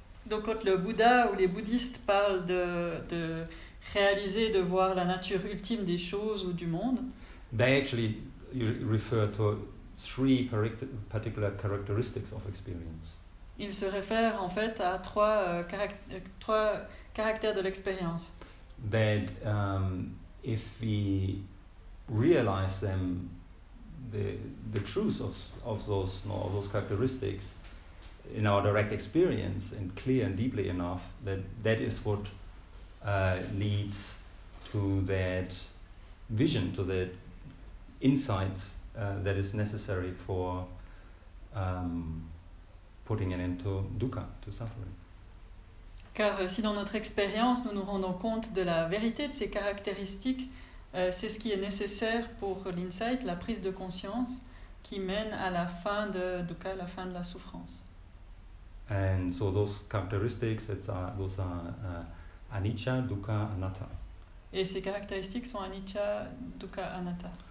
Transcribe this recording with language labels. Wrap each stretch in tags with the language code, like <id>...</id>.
<fr>Donc quand le Bouddha ou les bouddhistes parlent de réaliser, de voir la nature ultime des choses ou du monde,</fr> <en>they actually refer to three particular characteristics of experience.</en> <fr>Ils se réfèrent en fait à trois caractères de l'expérience.</fr> <en>That if we realize them, the truth of those characteristics in our direct experience and clear and deeply enough, that is what leads to that vision, to that insight that is necessary for putting an end to dukkha, to suffering.</en> <fr>Car si dans notre expérience nous nous rendons compte de la vérité de ces caractéristiques, c'est ce qui est nécessaire pour l'insight, la prise de conscience qui mène à la fin de dukkha, la fin de la souffrance.</fr> <en>And so those characteristics, those are anicca, dukkha, anatta.</en> <fr>Et ces caractéristiques sont anicca, dukkha, anatta.</fr>